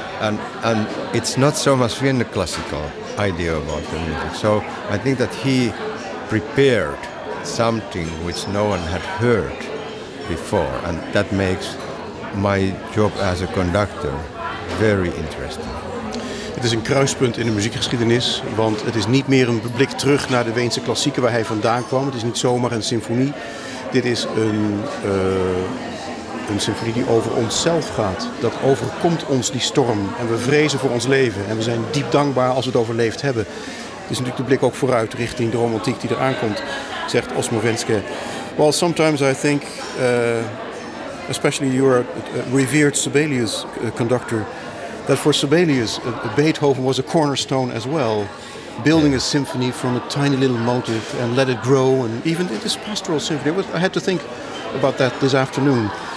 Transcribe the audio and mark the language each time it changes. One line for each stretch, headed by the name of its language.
English: And it's not so much Vienna classical idea about the music. So I think that he prepared something which no one had heard before, and that makes my job as a conductor very interesting.
Dutch: Het is een kruispunt in de muziekgeschiedenis, want het is niet meer een blik terug naar de Weense klassieken waar hij vandaan kwam. Het is niet zomaar een symfonie. Dit is een symfonie die over onszelf gaat. Dat overkomt ons, die storm. En we vrezen voor ons leven. En we zijn diep dankbaar als we het overleefd hebben. Het is natuurlijk de blik ook vooruit richting de romantiek die eraan komt, zegt Osmo Wenske.
English: Well, sometimes I think, especially your revered Sibelius conductor, that for Sibelius, Beethoven was a cornerstone as well. Building a symphony from a tiny little motif and let it grow. And even this pastoral symphony, I had to think about that this afternoon.